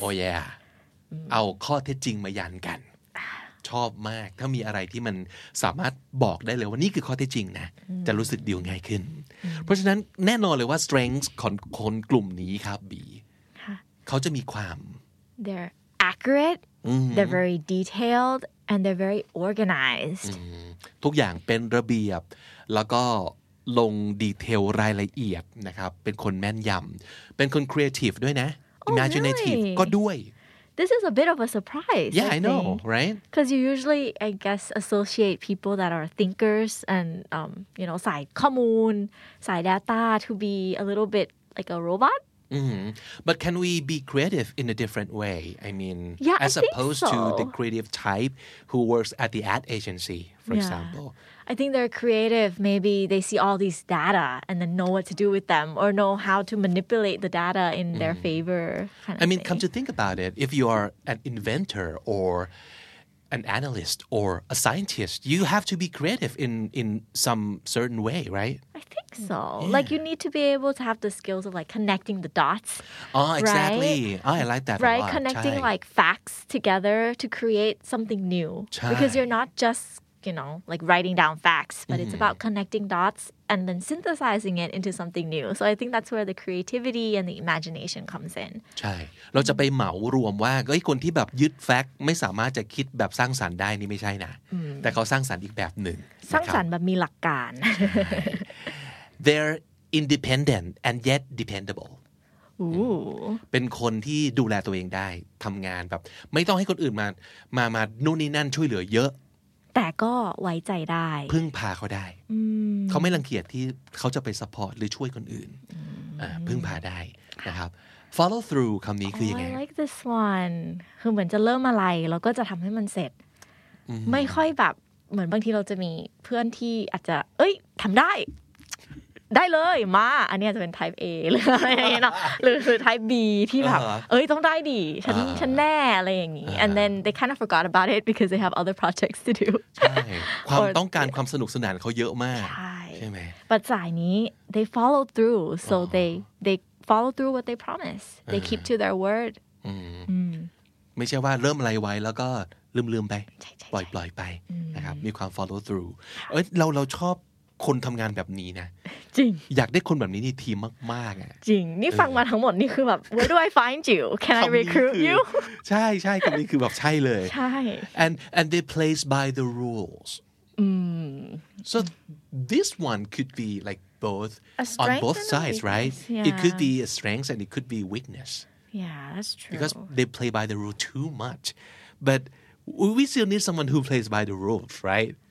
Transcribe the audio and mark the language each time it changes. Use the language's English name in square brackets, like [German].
[English] oh yeah [Thai] เอาข้อเท็จจริงมายันกันชอบมากถ้ามีอะไรที่มันสามารถบอกได้เลยว่านี่คือข้อเท็จจริงนะจะรู้สึกดีง่ายขึ้นเพราะฉะนั้นแน่นอนเลยว่า strength ของคนกลุ่มนี้ครับบีเขาจะมีความ [English] they're accurate they're very detailed and they're very organized [Thai] ทุกอย่างเป็นระเบียบแล้วก็ลงดีเทลรายละเอียดนะครับเป็นคนแม่นยำเป็นคน creative ด้วยนะ imaginative ก็ด้วย [English] This is a bit of a surprise. Yeah, I know, right? Because you usually, I guess, associate people that are thinkers and, you know, side common, side data to be a little bit like a robot. Mm-hmm. But can we be creative in a different way? I mean, yeah, as opposed to the creative type who works at the ad agency, for example. I think they're creative. Maybe they see all these data and then know what to do with them or know how to manipulate the data in their favor. Come to think about it, if you are an inventor or an analyst or a scientist, you have to be creative in some certain way, right? I think so. Yeah. Like, you need to be able to have the skills of, like, connecting the dots. Oh, exactly. Right? Oh, I like that right? a lot. Connecting, like, facts together to create something new. Because you're not just... you know, like writing down facts, but it's about connecting dots and then synthesizing it into something new. So I think that's where the creativity and the imagination comes in. [Thai] ใช่เราจะไปเหมารวมว่าไอ้คนที่แบบยึดแฟกต์ไม่สามารถจะคิดแบบสร้างสรรค์ได้นี่ไม่ใช่นะแต่เขาสร้างสรรค์อีกแบบหนึ่ง สร้างสรรค์แบบมีหลักการ [English] They're independent and yet dependable. Ooh. [Thai] เป็นคนที่ดูแลตัวเองได้ทำงานแบบไม่ต้องให้คนอื่นมานู่นนี่นั่นช่วยเหลือเยอะ แต่ก็ไว้ใจได้ พึ่งพาเขาได้ เขาไม่รังเกียจที่เขาจะไปซัพพอร์ตหรือช่วยคนอื่น พึ่งพาได้นะครับ follow through คำนี้คือยังไง [English] I like this one [Thai] คือเหมือนจะเริ่มอะไรแล้วก็จะทำให้มันเสร็จ ไม่ค่อยแบบเหมือนบางทีเราจะมีเพื่อนที่อาจจะเอ้ยทำได้ได้เลยมาอันนี้จะเป็น type A หรืออะไรอย่างเงี้ยหรือ type B ที่แบบเอ้ยต้องได้ดิฉันแน่อะไรอย่างงี้ [English] and then they kind of forgot about it because they have other projects to do [Thai] ใช่ความต้องการความสนุกสนานเขาเยอะมาก ใช่ ใช่ไหม [English] but [Thai] สายนี้ [English] they follow through so they follow through what they promise they keep to their word [Thai] ไม่ใช่ว่าเริ่มอะไรไว้แล้วก็ลืมไปปล่อยๆไปนะครับมีความ follow through เอ้ยเราชอบคนทำงานแบบนี้นะ จริง อยากได้คนแบบนี้ในทีมมากๆอ่ะ จริงนี่ฟังมาทั้งหมดนี่คือแบบ [English] Where do I find you? Can I recruit you? [Thai] ใช่ๆคำนี้คือแบบใช่เลย ใช่ [English] and they plays by the rules so this one could be like both on both sides right yeah. it could be a strength and it could be weakness yeah that's true because they play by the rule too much butWe still need someone who plays by the rules, right?